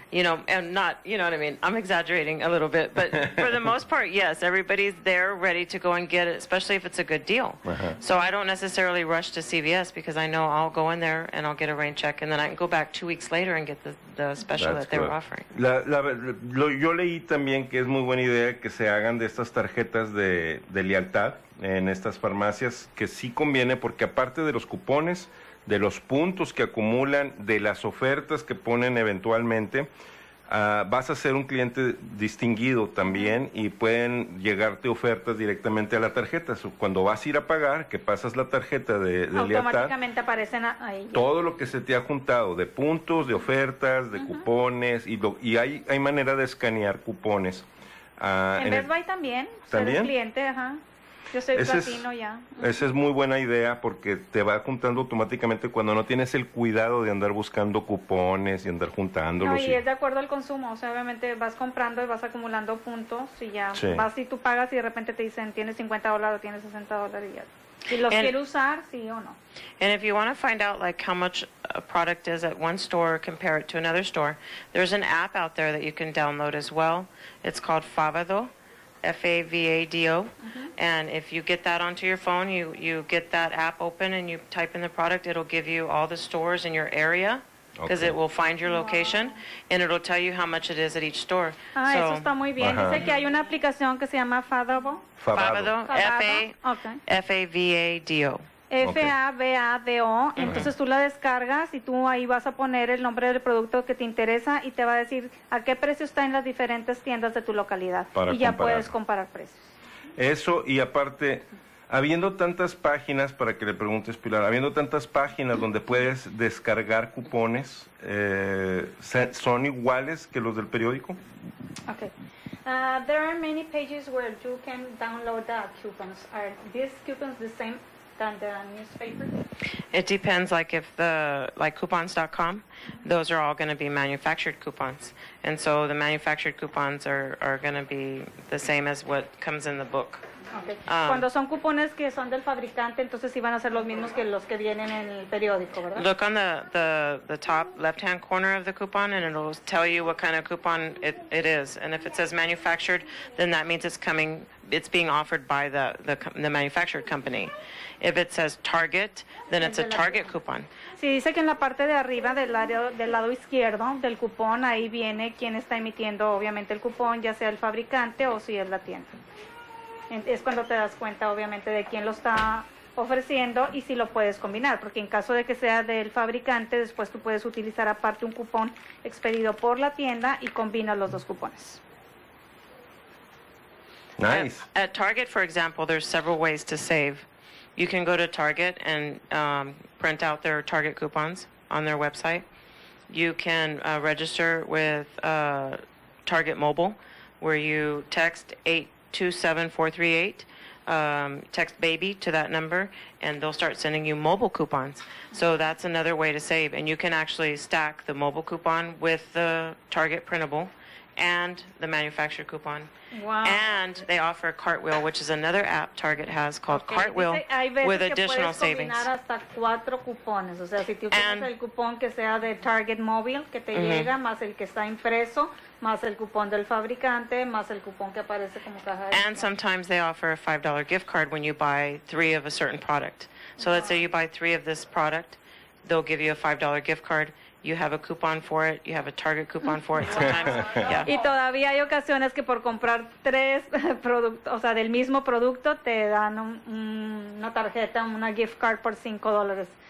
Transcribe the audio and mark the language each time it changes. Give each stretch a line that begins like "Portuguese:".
English: You know, and not, you know what I mean? I'm exaggerating a little bit, but for the most part, yes, everybody's there ready to go and get it, especially if it's a good deal. Uh-huh. So I don't necessarily rush to CVS, because I know I'll go in there and I'll get a rain check, and then I can go back 2 weeks later and get the special That's that they were offering.
Spanish: Yo leí también que es muy buena idea que se hagan de estas tarjetas de lealtad en estas farmacias, que sí conviene, porque aparte de los cupones, de los puntos que acumulan, de las ofertas que ponen eventualmente, vas a ser un cliente distinguido también, y pueden llegarte ofertas directamente a la tarjeta. So, cuando vas a ir a pagar, que pasas la tarjeta de lealtad, automáticamente aparecen ahí. Todo lo que se te ha juntado, de puntos, de ofertas, de cupones, y hay manera de escanear cupones. En Best Buy también ser un cliente, ajá. Yo soy platino ya. Esa es muy buena idea, porque te va juntando automáticamente cuando no tienes el cuidado de andar buscando cupones y andar juntándolos. No, y es de acuerdo al consumo. O sea, obviamente vas comprando y vas acumulando puntos y ya. Sí. Vas y tú pagas y de repente te dicen, tienes $50 o tienes $60 y ya. Si los quiero usar, sí o no.
English: And if you want to find out like how much a product is at one store, compare it to another store, there's an app out there that you can download as well. It's called Favado. Favado, mm-hmm. And if you get that onto your phone, you get that app open and you type in the product, it'll give you all the stores in your area, because it will find your location, and it'll tell you how much it is at each store.
Spanish: Ah, eso está muy bien. Dice que hay una aplicación que se llama Favado. Favado. Favado. Entonces tú la descargas y tú ahí vas a poner el nombre del producto que te interesa y te va a decir a qué precio está en las diferentes tiendas de tu localidad. Para y ya puedes comparar precios. Eso, y aparte, habiendo tantas páginas, para que le preguntes, Pilar, habiendo tantas páginas donde puedes descargar cupones, ¿son iguales que los del periódico?
English: Ok. There are many pages where you can download the coupons. Are these coupons the same newspaper? It depends, like if the like coupons.com, those are all going to be manufactured coupons, and so the manufactured coupons are going to be the same as what comes in the book. Okay.
Spanish: Cuando son cupones que son del fabricante, entonces sí van a ser los mismos que los que vienen en el periódico, ¿verdad?
English: Look on the top left-hand corner of the coupon, and it'll tell you what kind of coupon it is. And if it says manufactured, then that means it's being offered by the manufactured company. If it says Target, then it's a Target coupon.
Spanish: Sí, dice que en la parte de arriba del lado izquierdo del cupón, ahí viene quién está emitiendo, obviamente, el cupón, ya sea el fabricante o si es la tienda. Es cuando te das cuenta, obviamente, de quién lo está ofreciendo y si lo puedes combinar. Porque en caso de que sea del fabricante, después tú puedes utilizar aparte un cupón expedido por la tienda y combinas los dos cupones.
English: Nice. At Target, for example, there's several ways to save. You can go to Target and print out their Target coupons on their website. You can register with Target Mobile, where you text 827-438, text BABY to that number, and they'll start sending you mobile coupons. So that's another way to save. And you can actually stack the mobile coupon with the Target printable and the manufactured coupon. Wow. And they offer Cartwheel, which is another app Target has called Cartwheel, with additional savings.
Spanish: Hay veces que puedes combinar hasta cuatro cupones. O sea, si tú tienes el cupón que sea de Target Mobile, que te llega, más el que está impreso, más el cupón del fabricante, más el cupón que aparece como caja.
English: And sometimes they offer a $5 gift card when you buy three of a certain product. So let's say you buy three of this product, they'll give you a $5 gift card. You have a coupon for it. You have a Target coupon for it. Sometimes, yeah.
Spanish: Y todavía hay ocasiones que por comprar tres productos, o sea, del mismo producto, te dan una tarjeta, una
English: gift card
Spanish: por $5.